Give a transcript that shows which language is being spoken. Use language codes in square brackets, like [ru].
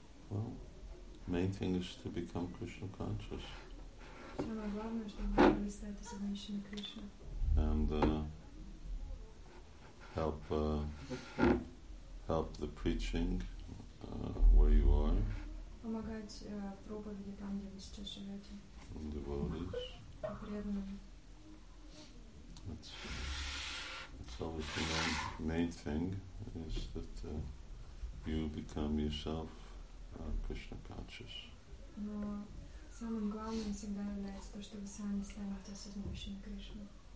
[en] Well, main thing is to become Krishna conscious. So my problem is to have a state of submission to Krishna. And help the preaching where you are. [ru] Помогать проповеди там, где вы сейчас живете. [en] And devotees. That's always the main thing, is that you become yourself Krishna conscious. [ru] Но самым главным всегда является то, что вы сами станете осознающими Кришну.